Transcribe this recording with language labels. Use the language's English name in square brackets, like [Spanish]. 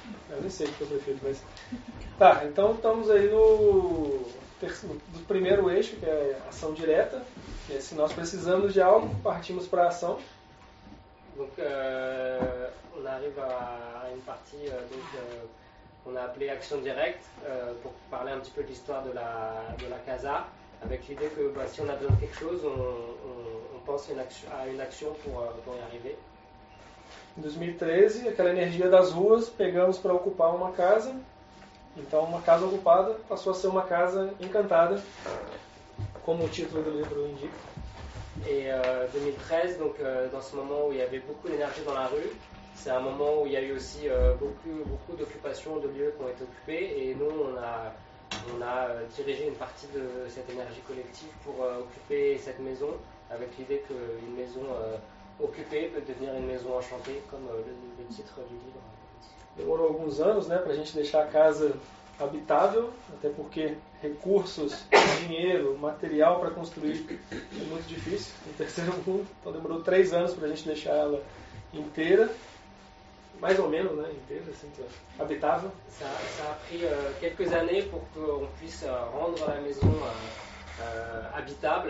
[Portuguese] Eu nem sei o que eu prefiro, mas. Tá, então estamos aí no primeiro eixo, que é ação direta. Que é se nós precisamos de algo, partimos para a ação. [French] Donc on arrive à une partie qu'on a appelée action directe pour parler un petit peu de l'histoire de la casa avec l'idée que bah, si on a besoin de quelque chose, on pense à une action pour y arriver. [Portuguese] En 2013, aquela energia das ruas, pegamos para ocupar uma casa. Então uma casa ocupada passou a ser uma casa encantada, como o título do livro indica. [French] Et 2013, donc dans ce moment où il y avait beaucoup d'énergie dans la rue, c'est un moment où il y a eu aussi beaucoup d'occupations de lieux qui ont été occupés, et nous on a dirigé une partie de cette énergie collective pour occuper cette maison, avec l'idée qu'une maison occupée peut devenir une maison enchantée, comme le titre du livre. [Portuguese] Demorou alguns anos, né, pra gente deixar a casa habitável, até porque recursos, dinheiro, material para construir é muito difícil no terceiro mundo. Então demorou 3 anos para a gente deixar ela inteira, mais ou menos, né, inteira, assim, habitável. [French] Ça a pris quelques années pour qu'on puisse rendre la maison habitable.